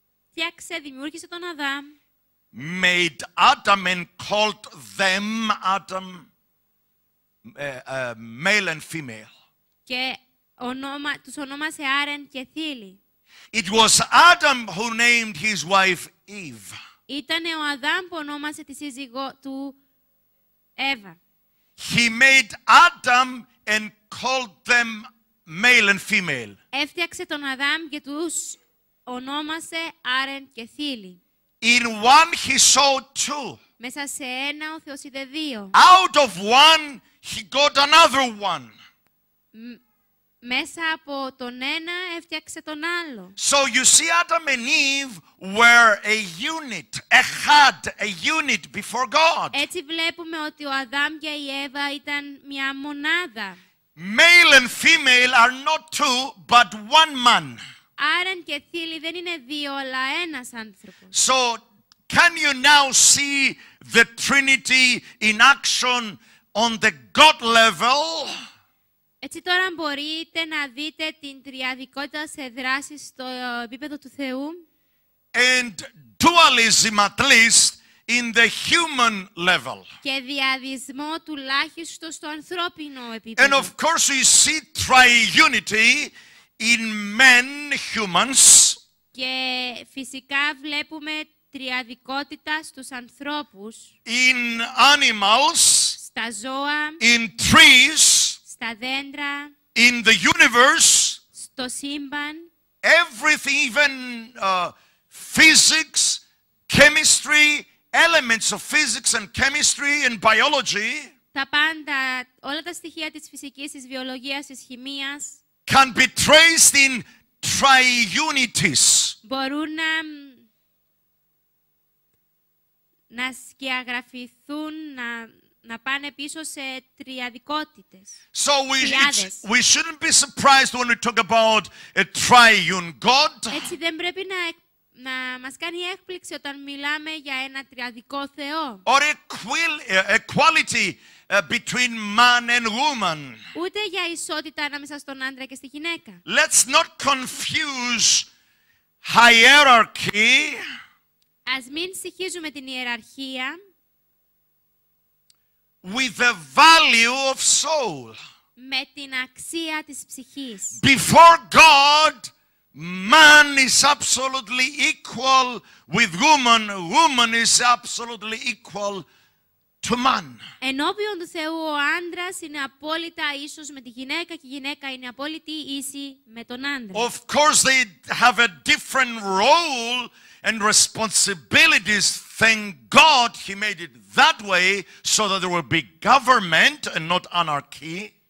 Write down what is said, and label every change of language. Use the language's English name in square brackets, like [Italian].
[Greek] φτιάξε, δημιούργησε τον Αδάμ, [English] made Adam and called them Adam, male and female. [Greek] Και τους ονόμασε Άρεν και Θήλη. [English] It was Adam who named his wife Eve. [Greek] Ήταν ο Αδάμ που ονόμασε τη σύζυγό του Εύα. [English] He made Adam and called them male and female. [Greek] Έφτιαξε τον Αδάμ και τους ονόμασε Άρεν και Θήλη. [English] In one he saw two. [Greek] Μέσα σε ένα ο Θεός είδε δύο. [English] Out of one he got another one. [Greek] Μέσα από τον ένα έφτιαξε τον άλλο. [English] So you see, Adam and Eve were a unit, a had a unit before God. [Greek] Έτσι βλέπουμε ότι ο Αδάμ και η Εύα ήταν μια μονάδα. [English] Male and female are not two, but one man. [Greek] Άρεν και Θήλη δεν είναι δύο, αλλά ένας άνθρωπος. [English] So, can you now see the Trinity in action on the God level? [Greek] Έτσι τώρα μπορείτε να δείτε την τριαδικότητα σε δράση στο επίπεδο του Θεού. [English] And dualism at least in the human level. [Greek] Και διαδισμό τουλάχιστον στο ανθρώπινο επίπεδο. [English] And of course we see triunity in men, humans. [Greek] Και φυσικά βλέπουμε τριαδικότητα στους ανθρώπους. [English] In animals. [Greek] στα ζώα, [English] in trees, [Greek] στα δέντρα, [English] in the universe, [Greek] στο σύμπαν, [English] everything, even physics, chemistry, elements of physics and chemistry and biology, [Greek] τα πάντα, όλα τα στοιχεία της φυσικής, της βιολογίας, της χημίας, [English] can be traced in triunities. [Greek] Μπορούν να σκιαγραφηθούν, να πάνε πίσω σε τριαδικότητες. [English] So we shouldn't be surprised when we talk about a triune God. [Greek] Έτσι δεν πρέπει να μας κάνει έκπληξη όταν μιλάμε για ένα τριαδικό Θεό. [English] Or equality between man and woman. [Greek] Ούτε για ισότητα ανάμεσα στον άντρα και στη γυναίκα. [English] Let's not confuse hierarchy. [Greek] Ας μην συγχύζουμε την ιεραρχία [English] with the value of soul. [Greek] Με την αξία της ψυχής. [English] Before God, man is absolutely equal with woman. Woman is absolutely equal to man. [Greek] Ενώπιον του Θεού, ο άντρας είναι απόλυτα ίσος με τη γυναίκα και η γυναίκα είναι απόλυτη ίση με τον άντρα. [English] Of course, they have a different role and responsibilities. Thank God he made it that way so that there will be government and not anarchy.